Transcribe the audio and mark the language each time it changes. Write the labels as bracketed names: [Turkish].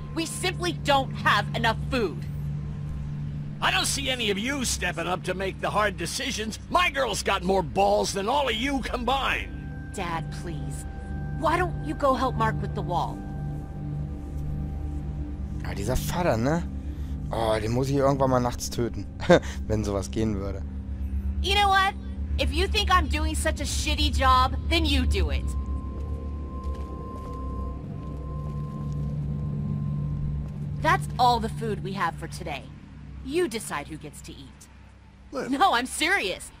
[English] We simply don't have enough food. I don't see any of you stepping up to make the hard decisions. My girl's got more balls than all of you combined. Dad, please. Why don't you go help Mark with the wall? [German] Ah, dieser Vater, ne? Oh, den muss ich irgendwann mal nachts töten, wenn sowas gehen würde. [English] You know what? If you think I'm doing such a shitty job, then you do it. That's all the food we have for today. You decide who gets to eat. Lim. No, I'm serious.